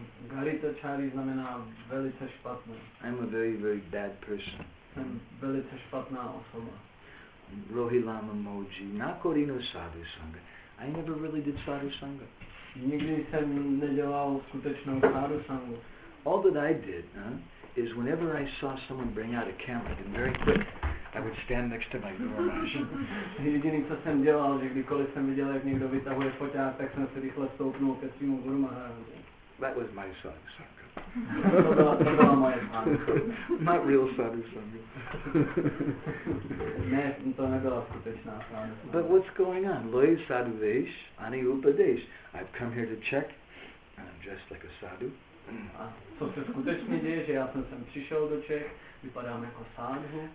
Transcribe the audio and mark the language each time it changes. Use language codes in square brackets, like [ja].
[cs] Garita Achari znamená velice špatné. [en] I'm a very, very bad person. [cs] Jsem velice špatná osoba. Rohilama Moji, Nakorino Sadhu Sangha. [en] I never really did Sadhu Sangha. [cs] Nikdy jsem nedělal skutečnou Sadhu Sangha. [en] All that I did, is whenever I saw someone bring out a camera, and very quick, I would stand next to my Guru Maharaj. [cs] Jediný, co jsem dělal, že kdykoliv jsem viděl, jak někdo vytahuje foťák, tak jsem se rychle stoupnul ke svému Guru Maharaji. [en] That was my Sadhu Sangha. [cs] To byla moje Sadhu [en] Sangha. Not real Sadhu Sangha. [cs] Ne, to nebyla skutečná Sadhu Sangha. [en] But what's going on? Loi Sadhu Vesh, Ani Upadesh. I've come here to check, and I'm dressed like a sadhu. [cs] A co se skutečně děje, že já jsem sem přišel do Čech, vypadám jako sádhu.